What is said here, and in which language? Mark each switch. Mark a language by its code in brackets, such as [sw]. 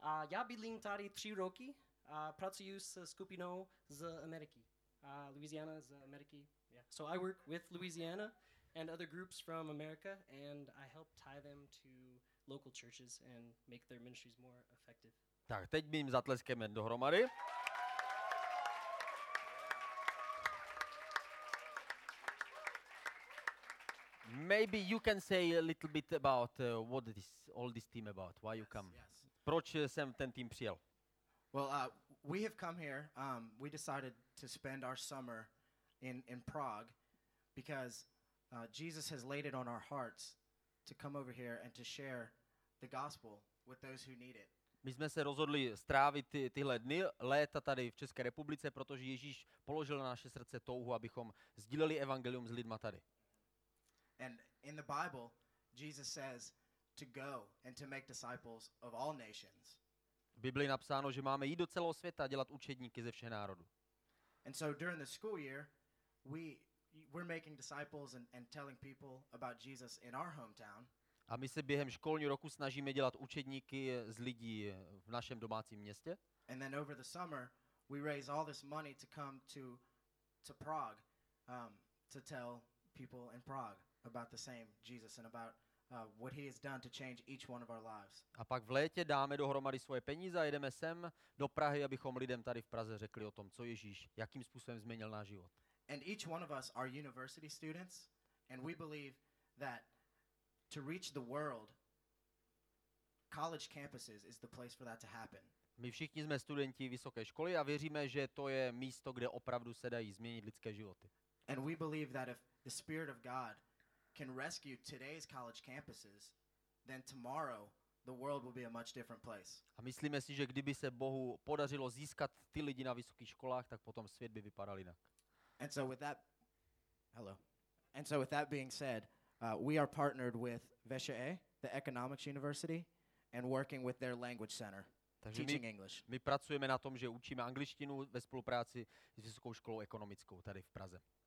[cs] Já bydlím tady 3 roky a pracuji s skupinou z Ameriky. Louisiana z Ameriky. [en] Yeah. So I work with Louisiana and other groups from America, and I help tie them to local churches and make their ministries more effective. [cs] Tak teď mým zatleskeme dohromady. [en] Maybe you can say a little bit about what this all this team about. Why you come? Yes. [cs] Proč jsem ten tým přijel? [en] Well, we have come here. We decided to spend our summer in Prague because Jesus has laid it on our hearts to come over here and to share the gospel with those who need it. [cs] My jsme se rozhodli strávit tyhle dny, léta tady v České republice, protože Ježíš položil na naše srdce touhu, abychom sdíleli evangelium s lidma tady. [en] And in the Bible, Jesus says to go and to make disciples of all nations. [cs] V Biblii napsáno, že máme jít do celého světa a dělat učedníky ze všech národů. [en] And so during the school year, we're making disciples and telling people about Jesus in our hometown. [cs] A my se během školního roku snažíme dělat učedníky z lidí v našem domácím městě. [en] And then over the summer we raise all this money to come to Prague to tell people in Prague about the same Jesus and about what he has done to change each one of our lives. [cs] A pak v létě dáme dohromady svoje peníze a jedeme sem do Prahy, abychom lidem tady v Praze řekli o tom, co Ježíš, jakým způsobem změnil náš život. [en] And each one of us are university students and we believe that to reach the world, college campuses is the place for that to happen. [cs] My všichni jsme studenti vysoké školy a věříme, že to je místo, kde opravdu se dají změnit lidské životy. [en] And we believe that if the Spirit of God can rescue today's college campuses, then tomorrow the world will be a much different place. [cs] A myslíme si, že kdyby se Bohu podařilo získat ty lidi na vysokých školách, tak potom svět by vypadal jinak. [en] And so with that, hello. And so with that being said, we are partnered with VSHE, the Economics University, and working with their language center, [cs] takže [en] teaching English. [cs] My pracujeme na tom, že učíme angličtinu ve spolupráci s Vysokou školou ekonomickou tady v Praze.